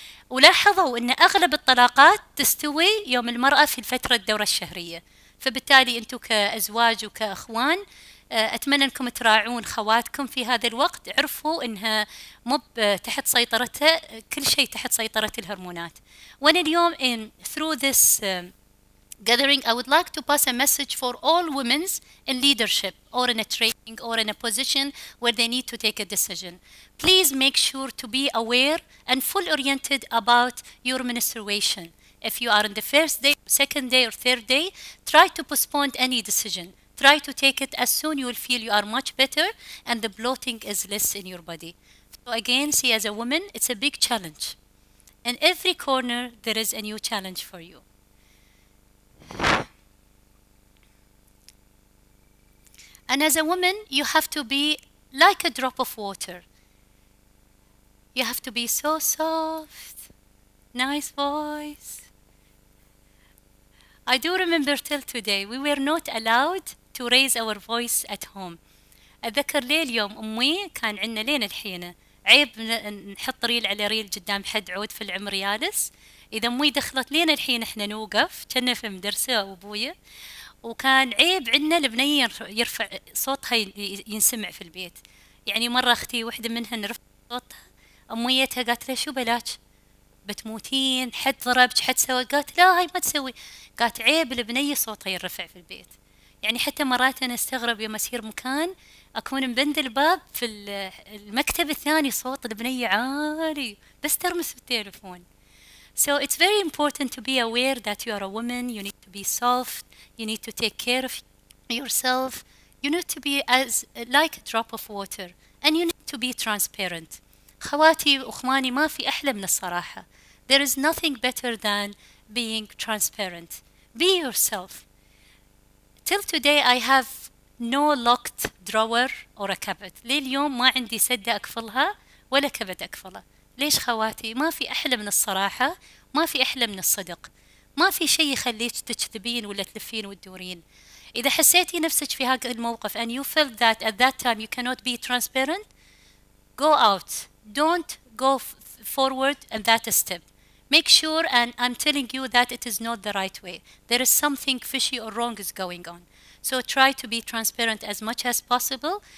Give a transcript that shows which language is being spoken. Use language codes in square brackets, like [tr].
[ar] ولاحظوا أن أغلب الطلاقات تستوي يوم المرأة في فترة الدورة الشهرية. فبالتالي أنتوا كأزواج وكأخوان أتمنى أنكم تراعون خواتكم في هذا الوقت، عرفوا أنها مب تحت سيطرتها، كل شيء تحت سيطرة الهرمونات. وأنا اليوم [en] in through this gathering I would like to pass a message for all women in leadership or in a training or in a position where they need to take a decision. Please make sure to be aware and full oriented about your menstruation. If you are in the first day, second day or third day, try to postpone any decision. Try to take it as soon you will feel you are much better and the bloating is less in your body. So again, see, as a woman, it's a big challenge. In every corner, there is a new challenge for you. And as a woman, you have to be like a drop of water. You have to be so soft, nice voice. I do remember till today, we were not allowed to raise our voice at home. [ar] أذكر ليل يوم أمي كان عندنا لين الحين عيب نحط ريل على ريل قدام حد عود في العمر يالس. إذا أمي دخلت لين الحين إحنا نوقف، كنا في مدرسة وأبويا، وكان عيب عندنا البنية يرفع صوتها ينسمع في البيت. يعني مرة أختي واحدة منها نرفع صوتها، أميتها قالت لها شو بلاش بتموتين، حد ضربك، حد سوى، قالت لا هاي ما تسوي، قالت عيب البنية صوتها يرفع في البيت. يعني حتى مرات أنا استغرب يوم أسير مكان أكون مبند الباب في المكتب الثاني صوت البنية عالي بس ترمس بالتليفون. [en] So it's very important to be aware that you are a woman. You need to be soft. You need to take care of yourself. You need to be as like a drop of water. And you need to be transparent. [ar] خواتي وأخواني ما في أحلى من الصراحة. [en] There is nothing better than being transparent. Be yourself. Till today, I have no locked drawer or a cupboard. [ar] لليوم ما عندي سدة أكفلها ولا كبد أكفلها. ليش خواتي؟ ما في أحلى من الصراحة، ما في أحلى من الصدق، ما في شيء يخليك تكذبين ولا تلفين وتدورين. إذا حسيتي نفسك في هذا الموقف [en] and you felt that at that time you cannot be transparent, go out. Don't go forward in that step. Make sure, and I'm telling you that it is not the right way. There is something fishy or wrong is going on. So try to be transparent as much as possible.